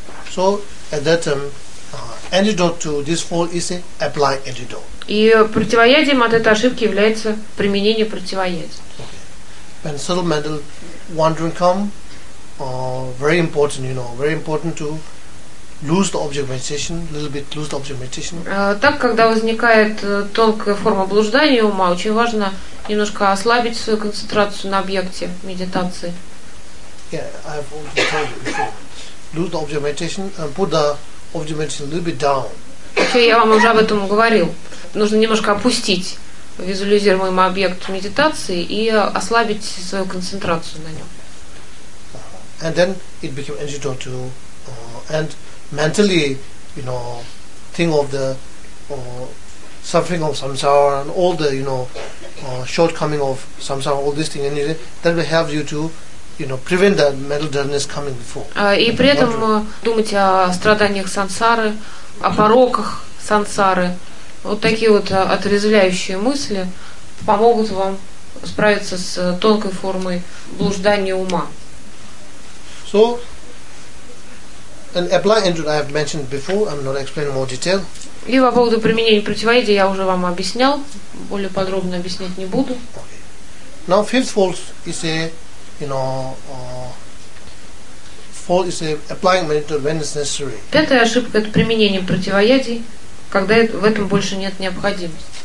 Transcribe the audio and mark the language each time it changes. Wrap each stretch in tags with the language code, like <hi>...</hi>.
<en>So at that time, antidote to this fall is a apply antidote.</en> <ru>И противоядием от этой ошибки является применение противоядия.</ru> <en>Okay. When subtle mental wandering come, very important, you know, very important to lose the object meditation, little bit lose the object meditation.</en> <ru>Так, когда возникает тонкая форма блуждания ума, очень важно немножко ослабить свою концентрацию на объекте медитации.</ru> <en>Yeah, I've already told you before. Lose the object meditation and put the object meditation a little bit down.</en> <ru>Okay, я вам уже об этом говорил. Нужно немножко опустить визуализируемый объект медитации и ослабить свою концентрацию на нем.</ru> <en>And then it became antidote to, and mentally, you know, think of the suffering of samsara and all the, you know, shortcoming of samsara, all these things, and that will help you to, you know, prevent that mental dullness coming before.</en> <ru>И при этом думать о страданиях сансары, о пороках сансары, вот такие вот отрезвляющие мысли помогут вам справиться с тонкой формой блуждания ума.</ru> <en>So, and apply antidote I have mentioned before. I'm not explaining more detail.</en> <ru>И по поводу применения противоядия я уже вам объяснял. Более подробно объяснять не буду.</ru> <en>Okay. Now fifth fall is a, you know, fault is applying medicine when it's necessary.</en> <ru>Пятая ошибка — это применение противоядий, когда в этом больше нет необходимости.</ru>